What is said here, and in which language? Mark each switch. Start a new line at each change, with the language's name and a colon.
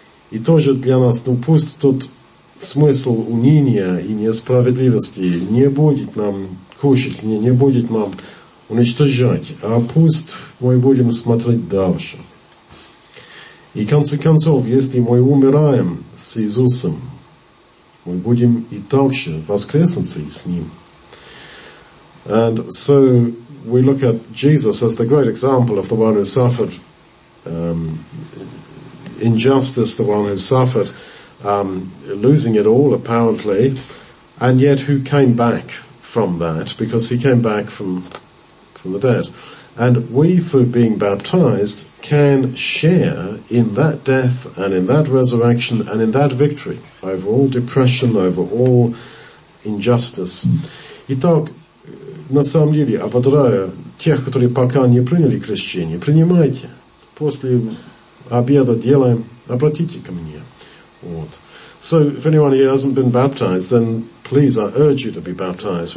Russian: И тоже для нас, ну пусть тут смысл уныния и несправедливости не будет нам кушать, не будет нам уничтожать, а пусть мы будем смотреть дальше. И в конце концов, если мы умираем с Иисусом, мы будем и дальше воскреснуться с Ним.
English: And so we look at Jesus as the great example of the one who suffered injustice, the one who suffered losing it all apparently, and yet who came back from that, because he came back from the dead. And we, through being baptized, can share in that death and in that resurrection and in that victory over all depression, over all injustice.
Russian: Итак, на самом деле, ободряю тех, которые пока не приняли крещение, принимайте. После обеда делаем, обратите ко мне. Вот.
English: So, if anyone here hasn't been baptized, then please, I urge you to be baptized.